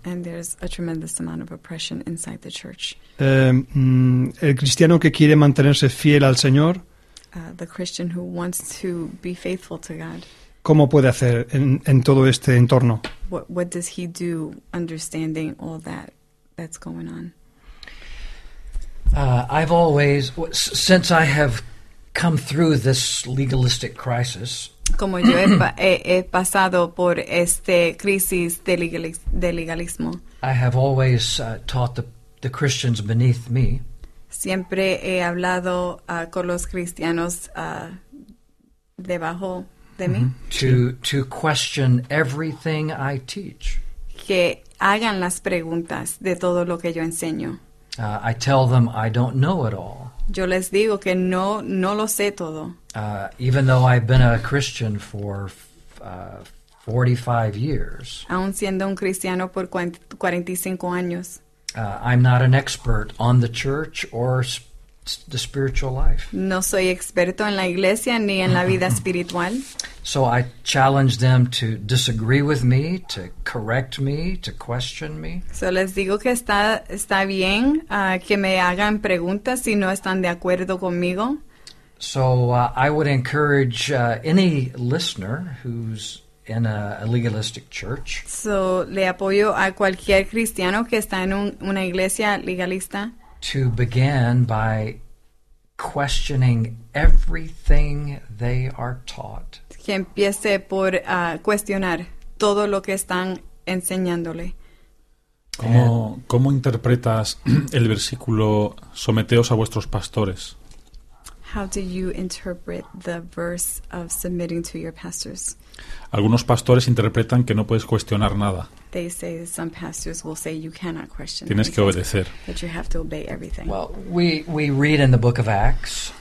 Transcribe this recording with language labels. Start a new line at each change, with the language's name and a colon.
English: And there's a tremendous amount of oppression inside the church.
Spanish: El cristiano que quiere mantenerse fiel al Señor.
English: The Christian who wants to be faithful to God.
Spanish: ¿Cómo puede hacer en todo este entorno?
English: What does he do understanding all that's going on? I've always, since I have come through this legalistic crisis.
Spanish: Como yo he pasado por este crisis de legalismo.
English: I have always taught the Christians beneath me.
Spanish: Siempre he hablado con los cristianos debajo de mí.
English: To question everything I teach.
Spanish: Que hagan las preguntas de todo lo que yo enseño.
English: I tell them I don't know it all.
Spanish: Yo les digo que no lo sé todo.
English: Even though I've been a Christian for 45 years.
Spanish: Aun siendo un cristiano por 45 años.
English: I'm not an expert on the church or the spiritual life.
Spanish: No soy experto en la iglesia ni en la vida espiritual.
English: So I challenge them to disagree with me, to correct me, to question me.
Spanish: So les digo que está bien que me hagan preguntas si no están de acuerdo conmigo.
English: So I would encourage any listener who's in a legalistic church.
Spanish: So le apoyo a cualquier cristiano que está en una iglesia legalista.
English: To begin by questioning everything they are taught.
Spanish: Que empiece por cuestionar todo lo que están enseñándole. ¿Cómo interpretas el versículo someteos a vuestros pastores?
English: How do you interpret the verse of submitting to your pastors?
Spanish: Algunos pastores interpretan que no puedes cuestionar nada.
English: They say some pastors will say you cannot question.
Spanish: Tienes que obedecer.
English: That you have to obey everything. Well, we read in the book of Acts.